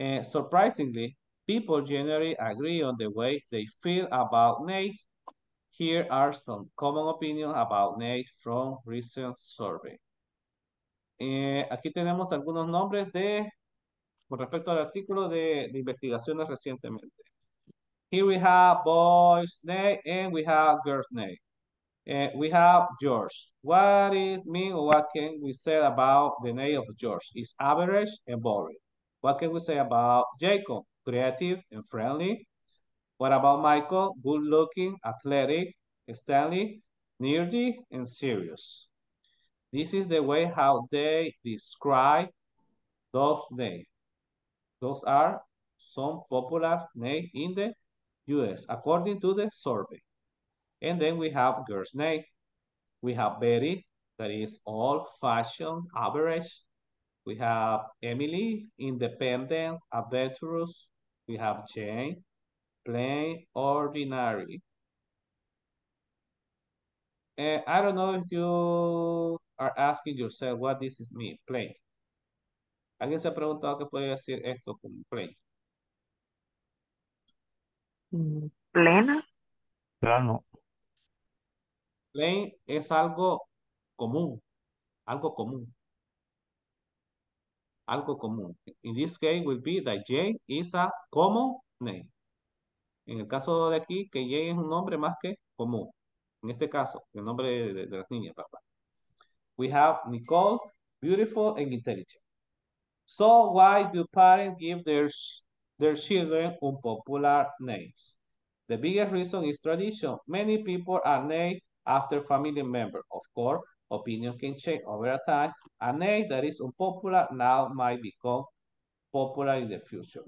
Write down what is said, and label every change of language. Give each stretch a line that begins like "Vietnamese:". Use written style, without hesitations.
English: Surprisingly, people generally agree on the way they feel about names. Here are some common opinions about names from recent survey.
Spanish: Aquí tenemos algunos nombres de con respecto al artículo de investigaciones recientemente.
English: Here we have boys' name and we have girls' name. We have George. What is mean or what can we say about the name of George? It's average and boring. What can we say about Jacob? Creative and friendly. What about Michael? Good looking, athletic, Stanley, nerdy, and serious. This is the way how they describe those names. Those are some popular names in the US according to the survey. And then we have girl's name. We have Betty, that is old fashioned, average. We have Emily, independent, adventurous. We have Jane, plain, ordinary. I don't know if you are asking yourself what this is mean, plain.
Spanish: ¿Alguien se ha preguntado qué podría decir esto con plain? ¿Plena? Plano. Plain es algo común. Algo común. Algo común.
English: In this case will be that Jane is a common name.
Spanish: En el caso de aquí, que Jane es un nombre más que común. En este caso, el nombre de las niñas, papá.
English: We have Nicole, beautiful and intelligent. So why do parents give their children unpopular names? The biggest reason is tradition. Many people are named after family members. Of course, opinion can change over time. A name that is unpopular now might become popular in the future.